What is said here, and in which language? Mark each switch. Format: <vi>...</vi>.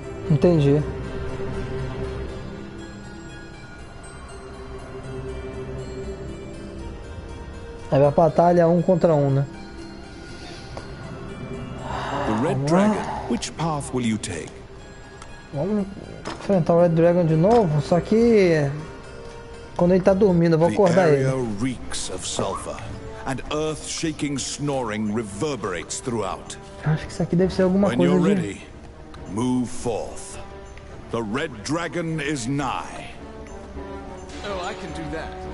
<pt>Entendi. É a batalha um contra um, né?</pt> <en>The Red Dragon, which path will you take?</en> <pt>Vamos enfrentar o Red Dragon de novo, só que quando ele tá dormindo, eu vou acordar ele.</pt> <en>The area reeks of sulfur, and earth-shaking snoring reverberates throughout.</en> <pt>Acho que isso aqui deve ser alguma coisa.</pt> <en>When you're ready, move forth. The Red Dragon is nigh. Oh, I can do that.</en>